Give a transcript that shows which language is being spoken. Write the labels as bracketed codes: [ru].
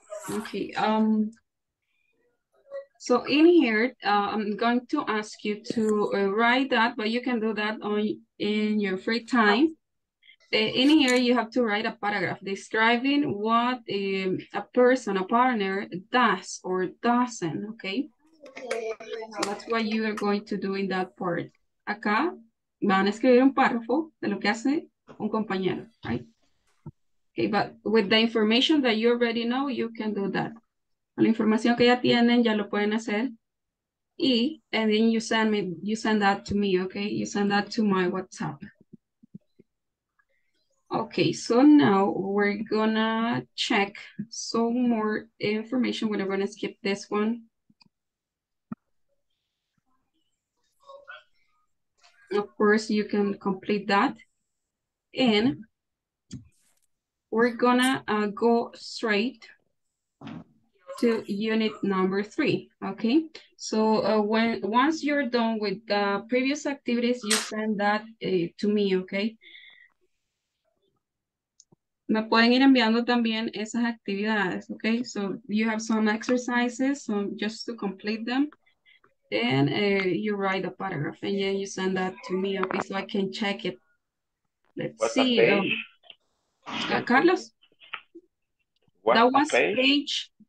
[en] Okay, so in here, I'm going to ask you to write that, but you can do that in your free time. In here, you have to write a paragraph describing what a person, a partner does or doesn't, okay? So that's what you are going to do in that part. [es] Acá van a escribir un párrafo de lo que hace un compañero, right? [en] Okay, but with the information that you already know, you can do that. [es] La información que ya tienen, ya lo pueden hacer. [en] Y, and then you send that to me, okay? You send that to my WhatsApp. Okay, so now we're gonna check some more information. We're gonna skip this one. Of course, you can complete that. And we're gonna go straight to unit number three, okay? So once you're done with the previous activities, you send that to me, okay? [es] Me pueden ir enviando también esas actividades, okay? [en] So you have some exercises, so just to complete them. And you write a paragraph and then you send that to me, okay, so I can check it. Let's What's see. Carlos? What that was page